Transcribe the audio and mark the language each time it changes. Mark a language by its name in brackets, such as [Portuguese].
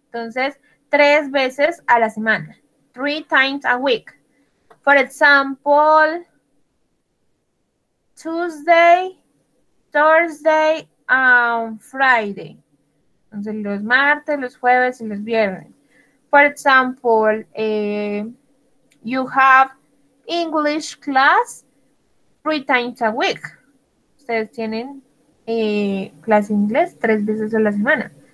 [Spanish] Entonces, tres veces a la semana. [English] Three times a week. For example, Tuesday, Thursday and Friday. [Spanish] Entonces, los martes, los jueves y los viernes. [English] For example, you have English class three times a week. [Spanish] Ustedes tienen clase inglés tres veces a la semana.